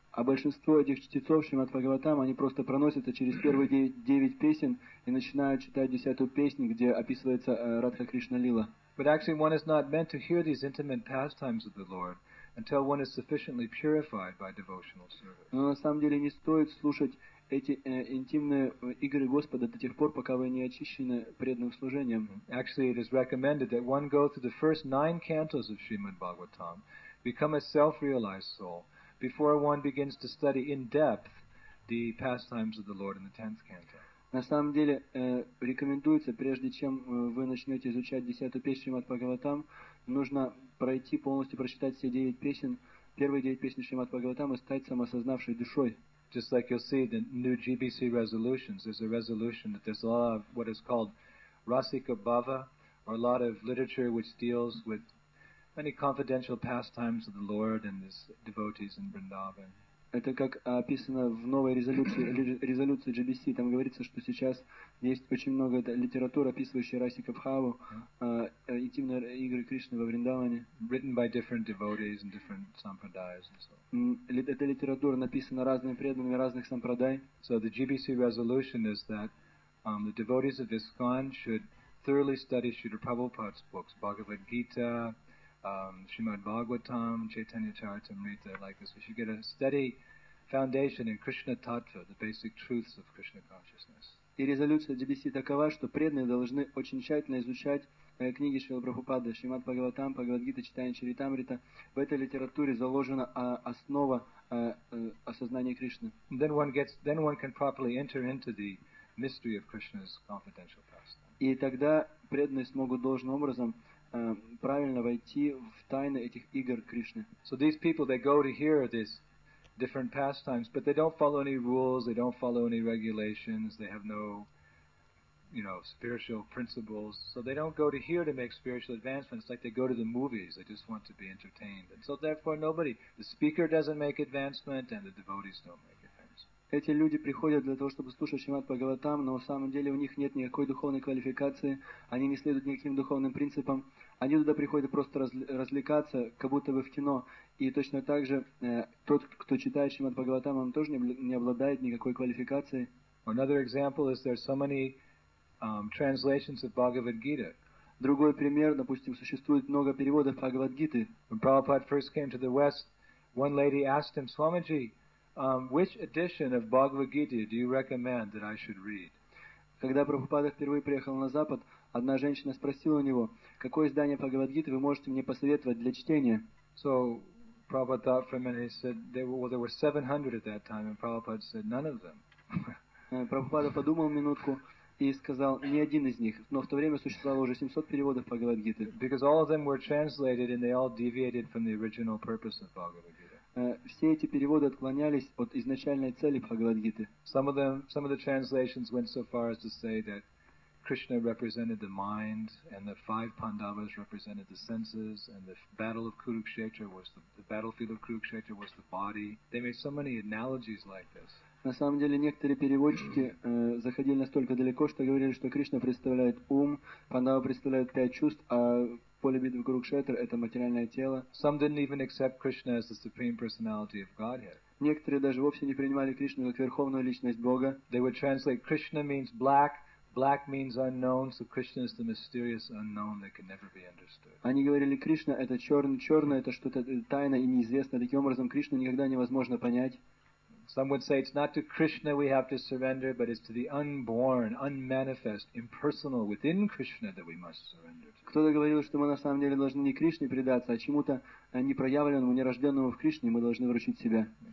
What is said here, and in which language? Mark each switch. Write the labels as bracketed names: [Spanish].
[Russian] А большинство этих чтецов Шримад Бхагаватам, они просто проносятся через первые 9 песен и начинают читать 10-ю песню, где описывается Радха Кришна Лила. [English] But actually one is not meant to hear these intimate pastimes of the Lord until one is sufficiently purified by devotional service. [Russian] Но на самом деле не стоит слушать эти интимные игры Господа до тех пор, пока вы не очищены преданным служением. [English] Actually it is recommended that one go through the first 9 cantos of Srimad Bhagavatam, become a self-realized soul, before one begins to study in depth the pastimes of the Lord in the 10th canto. [Russian] На самом деле, рекомендуется, прежде чем вы начнете изучать 10-ю песню Шримад Бхагаватам, нужно пройти полностью прочитать все 9 песен, первые 9 песен Шримад Бхагаватам и стать самосознавшей душой. [English] Just like you'll see the new GBC resolutions, there's a resolution that there's a lot of what is called Rasika Bhava, or a lot of literature which deals with many confidential pastimes of the Lord and his devotees in Vrindavan. [Russian] Это как описано в новой резолюции GBC. Там говорится, что сейчас есть очень много литературы, описывающей Расика Бхаву, интимные игры Кришны во Вриндаване. [English] Written by different devotees and different sampradayas and so. [Russian] Эта литература написана разными преданными разных сампрадай. [English] So the GBC resolution is that the devotees of ISKCON should thoroughly study Srila Prabhupada's books, Bhagavad Gita, Srimad Bhagavatam, Chaitanya Charitamrita, like this. We should get a steady foundation in Krishna Tattva, the basic truths of Krishna consciousness. [Russian] И резолюция GBC такова, что преданные должны очень тщательно изучать книги Шрилы Прабхупады, Шримад Бхагаватам, Бхагавадгита, Читание Чаритамрита. В этой литературе заложена основа осознания Кришны. [English] Then one can properly enter into the mystery of Krishna's confidential pastime. [Russian] И тогда преданные смогут должным образом правильно войти в тайны этих игр Кришны. [English] So these people, they go to hear this different pastimes, but they don't follow any rules, they don't follow any regulations, they have no, you know, spiritual principles. So they don't go to here to make spiritual advancements, like they go to the movies, they just want to be entertained. And so therefore nobody, the speaker doesn't make advancement and the devotees don't make advancement. [Russian] Эти люди приходят для того, чтобы слушать Шримад Бхагаватам, но на самом деле у них нет никакой духовной квалификации, они не следуют никаким духовным принципам. Они туда приходят просто развлекаться, как будто бы в кино. И точно так же тот, кто читает Шримад Бхагаватам, он тоже не обладает никакой квалификацией. [English] Another example is there are so many translations of Bhagavad Gita. [Russian] Другой пример, допустим, существует много переводов Бхагавадгиты. [English] When Prabhupada first came to the West, one lady asked him, Swamiji, which edition of Bhagavad Gita do you recommend that I should read? [Russian] Когда Прабхупада впервые приехал на Запад, одна женщина спросила у него, какое издание Бхагавадгиты вы можете мне посоветовать для чтения? [English] So, Prabhupada thought for a minute, he said, there were 700 at that time, and Prabhupada said, none of them. [Russian] Прабхупада подумал минутку и сказал, ни один из них, но в то время существовало уже 700 переводов Бхагавадгиты. [English] Because all of them were translated, and they all deviated from the original purpose of Bhagavad Gita. [Russian] Все эти переводы отклонялись от изначальной цели Бхагавадгиты. [English] Some of the translations went so far as to say that Krishna represented the mind, and the five Pandavas represented the senses, and the battle of Kurukshetra was the battlefield of Kurukshetra was the body. They made so many analogies like this. [Russian] На самом деле некоторые переводчики заходили настолько далеко, что говорили, что Кришна представляет ум, Пандавы представляют пять чувств, а поле битвы Курукшетра это материальное тело. [English] Some didn't even accept Krishna as the supreme personality of Godhead. [Russian] Некоторые даже вовсе не принимали Кришну как верховную личность Бога. [English] They would translate Krishna means black. Black means unknown, so Krishna is the mysterious unknown that can never be understood. [Russian] Они говорили, Кришна это черное, это что-то тайное и неизвестное. Таким образом, Кришну никогда невозможно понять. [English] Some would say it's not to Krishna we have to surrender, but it's to the unborn, unmanifest, impersonal within Krishna that we must surrender to. [Russian] Кто-то говорил, что мы на самом деле должны не Кришне предаться, а чему-то непроявленному, нерожденному в Кришне мы должны вручить себя.